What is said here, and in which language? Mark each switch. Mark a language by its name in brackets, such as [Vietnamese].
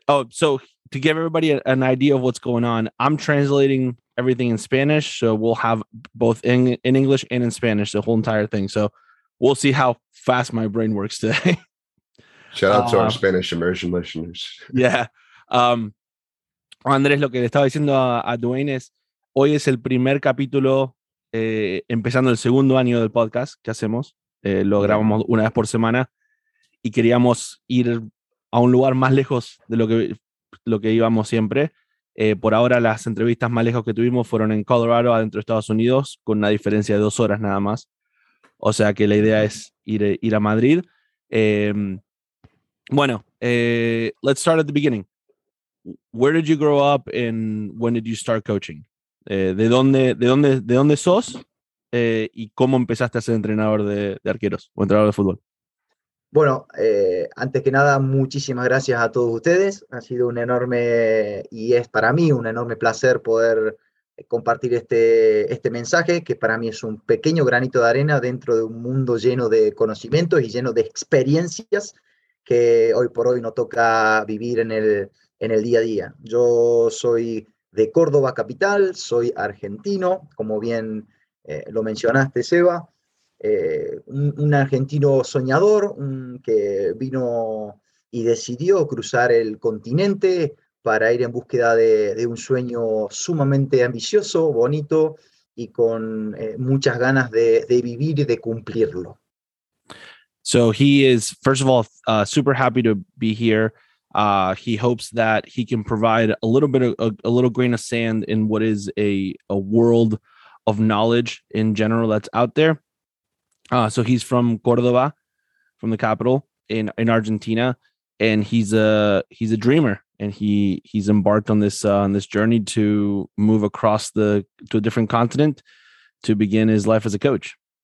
[English] So to give everybody an idea of what's going on, I'm translating everything in Spanish. So we'll have both in English and in Spanish, the whole entire thing. So we'll see how fast my brain works today. Shout out to our Spanish immersion listeners. Yeah. [Spanish] Andrés, lo que le estaba diciendo a Duane es, hoy es el primer capítulo, empezando el segundo año del podcast que hacemos. Lo grabamos una vez por semana y queríamos ir a un lugar más lejos de lo que lo que íbamos siempre. Por ahora, las entrevistas más lejos que tuvimos fueron en Colorado, adentro de Estados Unidos, con una diferencia de 2 horas nada más. O sea que la idea es ir a Madrid. Bueno, [English] let's start at the beginning. Where did you grow up and when did you start coaching? [Spanish] ¿De dónde sos y cómo empezaste a ser entrenador de arqueros o entrenador de fútbol? Bueno, antes que nada, muchísimas gracias a todos ustedes. Ha sido un enorme, y es para mí un enorme placer poder compartir este mensaje, que para mí es un pequeño granito de arena dentro de un mundo lleno de conocimientos y lleno de experiencias que hoy por hoy nos toca vivir en el día a día. Yo soy de Córdoba capital, soy argentino, como bien lo mencionaste, Seba. Un argentino soñador que vino y decidió cruzar el continente para ir en búsqueda de un sueño sumamente ambicioso, bonito y con muchas ganas de vivir y de cumplirlo. [English] So he is, first of all, super happy to be here. He hopes that he can provide a little bit of a little grain of sand in what is a world of knowledge in general that's out there. So he's from Córdoba, from the capital in Argentina, and he's a dreamer, and he's embarked on this journey to move across to a different continent to begin his life as a coach.